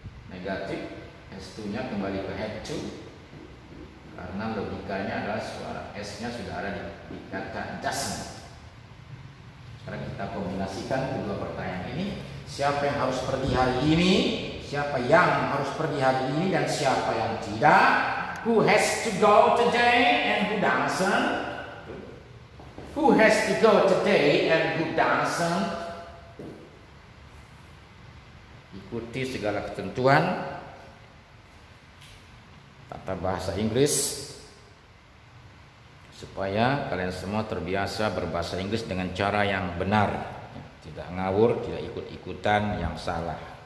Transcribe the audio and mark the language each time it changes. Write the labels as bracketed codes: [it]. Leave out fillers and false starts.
[id] Negatif, has to-nya kembali ke have to, karena logikanya adalah suara S-nya sudah ada di kata doesn't. Sekarang kita kombinasikan kedua pertanyaan ini. Siapa yang harus pergi hari ini? Siapa yang harus pergi hari ini dan siapa yang tidak? [en] Who has to go today and who doesn't? Who has to go today and who doesn't? [id] Ikuti segala ketentuan tata bahasa Inggris supaya kalian semua terbiasa berbahasa Inggris dengan cara yang benar, tidak ngawur, tidak ikut-ikutan yang salah.